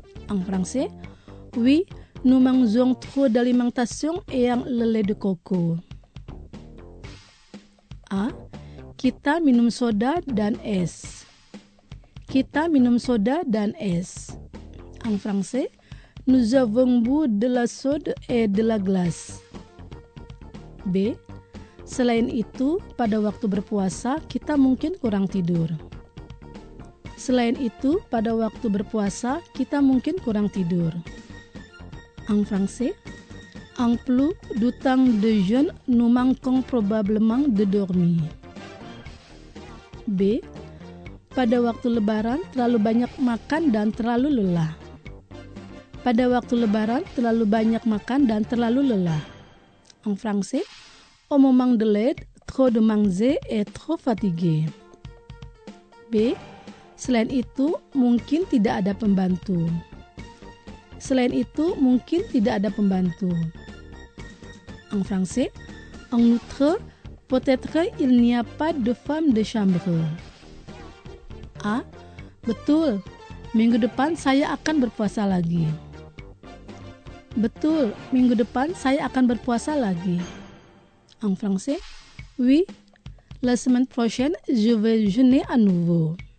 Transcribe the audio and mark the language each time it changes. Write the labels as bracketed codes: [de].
[fr] En français, oui, nous mangeons trop d'alimentation ayant le lait de coco. [id] A. Kita minum soda dan es. Kita minum soda dan es. [fr] En français, nous avons bu de la soda et de la glace. B. [id] Selain itu, pada waktu berpuasa, kita mungkin kurang tidur. Selain itu, pada waktu berpuasa, kita mungkin kurang tidur. [fr] En français, en plus du temps de jeûne, nous manquons probablement de dormir. B. [id] Pada waktu lebaran, terlalu banyak makan dan terlalu lelah. Pada waktu lebaran, terlalu banyak makan dan terlalu lelah. [fr] En français, au moment de l'aide, trop de manger et trop fatigué. B. [id] Selain itu, mungkin tidak ada pembantu. Selain itu, mungkin tidak ada pembantu. [fr] En français, en outre, peut-être il n'y a pas de femme de chambre. A. [id] Betul, minggu depan saya akan berpuasa lagi. Betul, minggu depan saya akan berpuasa lagi. [fr] En français, oui, la semaine prochaine, je vais jeûner à nouveau.